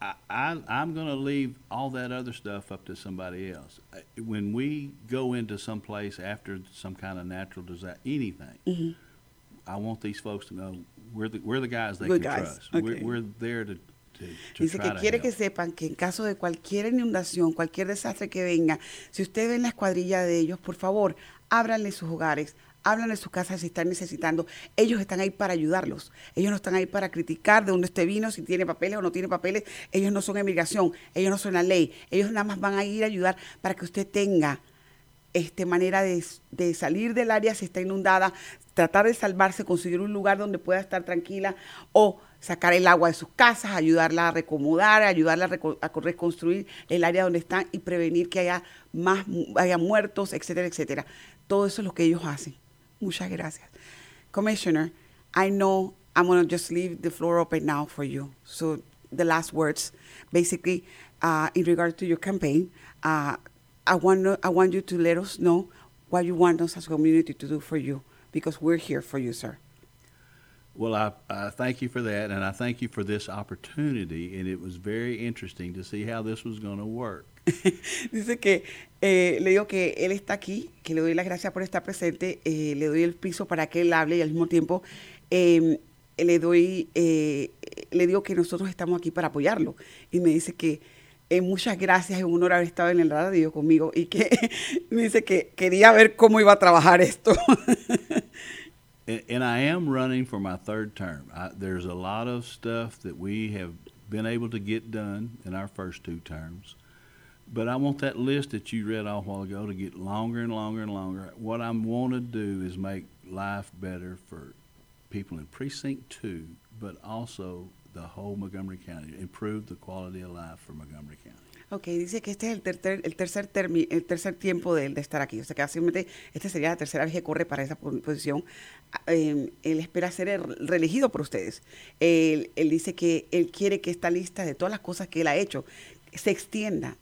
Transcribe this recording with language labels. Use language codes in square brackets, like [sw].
[en] I'm going to leave all that other stuff up to somebody else. When we go into some place after some kind of natural disaster, anything, mm-hmm. I want these folks to know we're the guys they Good can guys. Trust. Okay. We're there to [es] Dice que quiere que sepan que en caso de cualquier inundación, cualquier desastre que venga, si ustedes ven la escuadrilla de ellos, por favor, ábranle sus hogares, ábranle sus casas si están necesitando. Ellos están ahí para ayudarlos. Ellos no están ahí para criticar de dónde usted vino, si tiene papeles o no tiene papeles. Ellos no son inmigración, ellos no son la ley. Ellos nada más van a ir a ayudar para que usted tenga manera de salir del área si está inundada, tratar de salvarse, conseguir un lugar donde pueda estar tranquila o sacar el agua de sus casas, ayudarla a reacomodar, ayudarla a reconstruir el área donde están y prevenir que haya muertos, etcétera, etcétera. Todo eso es lo que ellos hacen. Muchas gracias. [en] Commissioner, I know I'm going to just leave the floor open now for you. So the last words, basically, in regard to your campaign, I want you to let us know what you want us as a community to do for you, because we're here for you, sir. Well, I thank you for that, and I thank you for this opportunity, and it was very interesting to see how this was going to work. [es] Dice que le digo que él está aquí, que le doy las gracias por estar presente, le doy el piso para que él hable y al mismo tiempo le digo que nosotros estamos aquí para apoyarlo. Y me dice que muchas gracias, es un honor haber estado en el radio conmigo y que me dice que quería ver cómo iba a trabajar esto. [en] And I am running for my third term. There's a lot of stuff that we have been able to get done in our first two terms. But I want that list that you read off a while ago to get longer and longer and longer. What I want to do is make life better for people in Precinct 2, but also the whole Montgomery County, improve the quality of life for Montgomery County. [es] Okay, dice que este es el tercer tiempo de él de estar aquí. O sea, que básicamente esta sería la tercera vez que corre para esa posición. Él espera ser reelegido por ustedes. Él dice que él quiere que esta lista de todas las cosas que él ha hecho se extienda.